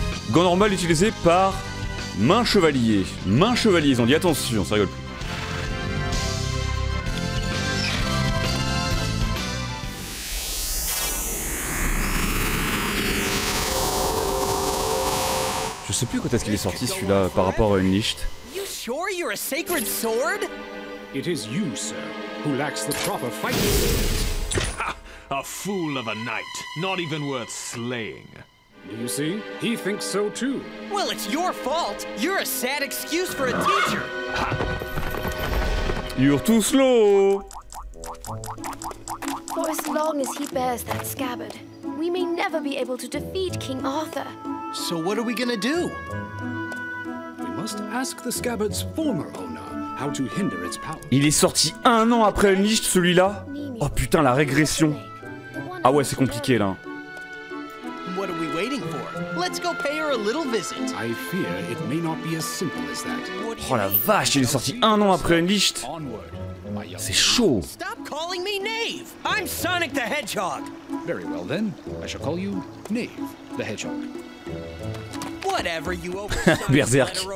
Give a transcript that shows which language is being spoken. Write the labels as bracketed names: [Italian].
[French] Gant normal utilisé par main chevalier. Main chevalier, ils ont dit attention, ça rigole plus. Je sais plus quand est-ce qu'il est sorti celui-là par rapport à une liste. [English] You sure you're a sacred sword? It is you, sir, who lacks the proper fighting. A fool of a knight, not even worth slaying. You see, he thinks so too. Well, it's your fault. You're a sad excuse for a teacher. You're too slow. For as long as he bears that scabbard, we may never be able to defeat King Arthur. So what are we gonna do? We must ask the scabbard's former owner how to hinder its power. [French] Il est sorti un an après Nisht, celui-là. Oh putain, la régression. Ah ouais, c'est compliqué là. [English] What are we waiting for? Let's go pay her a little visit. I fear it may not be as simple as that. [French] Oh la vache, il est sorti un an après Unleashed. C'est chaud. [English] Stop calling me Knave. I'm Sonic the Hedgehog. Very well then. I shall call you Knave the Hedgehog. Whatever you open. Berserk.